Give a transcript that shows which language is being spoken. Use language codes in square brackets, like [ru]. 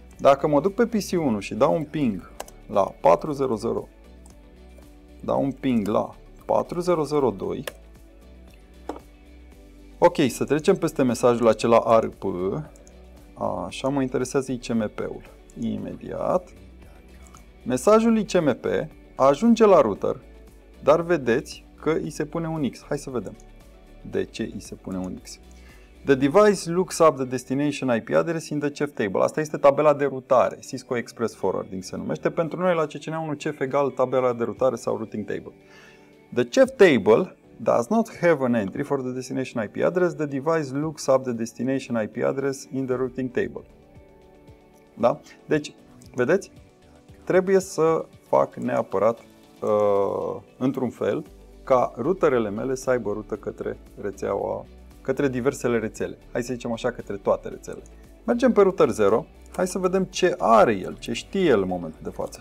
[ro] Dacă mă duc pe PC1 și dau un ping la 400, dau un ping la 4002, ok, să trecem peste mesajul acela ARP. Așa, mă interesează ICMP-ul. Imediat. Mesajul ICMP ajunge la router, dar vedeți că îi se pune un X. Hai să vedem de ce îi se pune un X. [en] The device looks up the destination IP address in the CHEF table. [ro] Asta este tabela de rutare, Cisco Express Forwarding se numește. Pentru noi la CCNA1 CHEF egal tabela de rutare sau routing table. [en] The CHEF table does not have an entry for the destination IP address. The device looks up the destination IP address in the routing table. [ro] Da? Deci, vedeți? Trebuie să fac neapărat într-un fel ca routerele mele să aibă rută către rețeaua, către diversele rețele. Hai să zicem așa, către toate rețelele. Mergem pe router 0. Hai să vedem ce are el, ce știe el în momentul de față.